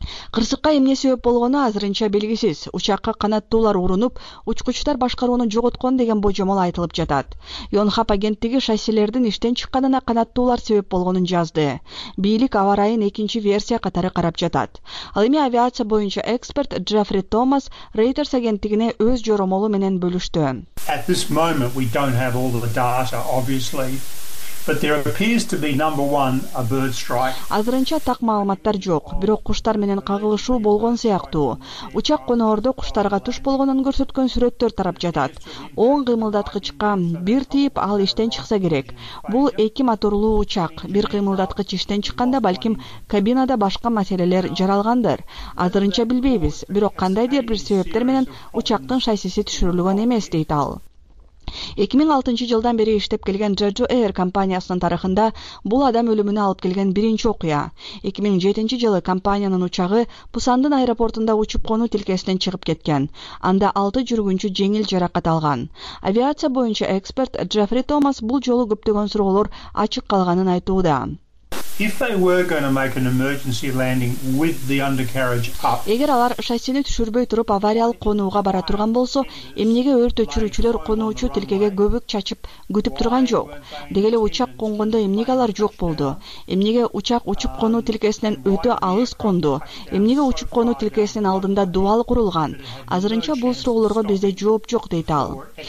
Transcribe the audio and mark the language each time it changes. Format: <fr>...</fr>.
<ky>Кырсыкка эмне себеп болгону азырынча белгисиз. Учакка канаттуулар урунуп, учкучтар башкарууну жоготкон деген божомол айтылып жатат. Йонхап агенттиги шасселердин иштен чыкканына канаттуулар себеп болгонун жазды. Бийлик аварайын экинчи версия катары карап жатат. Ал эми авиация боюнча эксперт Джеффри Томас Reuters агенттигине өз жоромолу менен бөлүштү.</ky> <en>At this moment we don't have all the data, obviously. But there appears to be number one a bird strike.</en> <ky>Азырынча так маалыматтар жок, бирок куштар менен кагылышуу болгон сыяктуу. Учак конордо куштарга туш болгонун көрсөткөн сүрөттөр тарап жатат. Оң кыймылдаткычка бир тийип ал иштен чыкса керек. Бул эки моторлуу учак. Бир кыймылдаткыч иштен чыкканда балким кабинада башка маселелер жаралгандыр. Азырынча билбейбиз, бирок кандайдыр бир себептер менен учактын шасиси түшүрүлгөн эмес, дейт ал. 2006 жылдан бери иштеп келген Jeju Air компаниясынын тарыхында бул адам өлүмүнө алып келген биринчи окуя. 2007 жылы компаниянын учагы Пусандын аэропортунда учуп конуу тилкесинен чыгып кеткен. Анда 6 жүргүнчү жеңил жаракат алган. Авиация боюнча эксперт Джеффри Томас бул жолу көптөгөн суроолор ачык калганын айтууда.</ky> <en>If they were going to make an emergency landing with the undercarriage up.</en> <ky>Эгер алар шассини түшүрбөй туруп авариялык конууга бара турган болсо, эмнеге өрт өчүрүүчүлөр конуучу тилкеге көбүк чачып күтүп турган жок? Деги эле учак конгондо эмнеге алар жок болду? Эмнеге учак учуп конуу тилкесинен өтө алыс конду? Эмнеге учуп конуу тилкесинин алдында дубал курулган? Азырынча бул суроолорго бизде жооп жок, дейт ал.</ky>